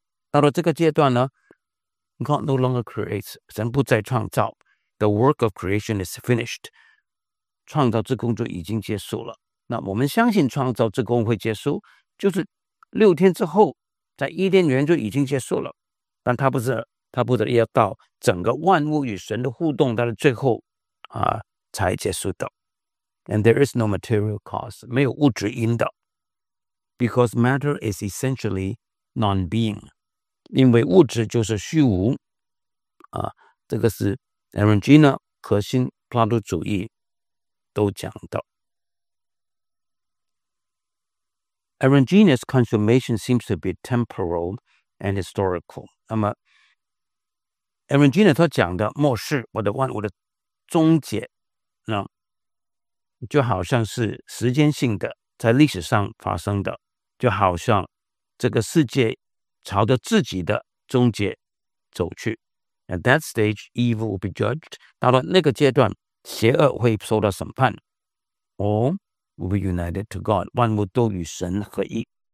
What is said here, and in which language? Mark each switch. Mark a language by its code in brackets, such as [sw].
[zh] 到了这个阶段呢， [en] God no longer creates， [zh] 神不再创造， [en] the work of creation is finished， [zh] 创造之工作已经结束了。那我们相信创造之工会结束，就是六天之后在伊甸园就已经结束了，但它不是，它不是要到整个万物与神的互动到了最后才结束的。 [en] And there is no material cause， [zh] 没有物质因的。 [en] Because matter is essentially non-being， [zh] 因为物质就是虚无这个是 Aaron Gina 和新柏拉图主义都讲的。 [en] Aaron Gina's consummation seems to be temporal and historical. [zh] 那么 Aaron Gina 他讲的末世或者万物的终结呢，就好像是时间性的，在历史上发生的，就好像这个世界朝着自己的终结走去。 [en] At that stage, evil will be judged. [zh] 到了那个阶段，邪恶会受到审判。 [en] Or,will be united to God， [zh] 万物都与神合一。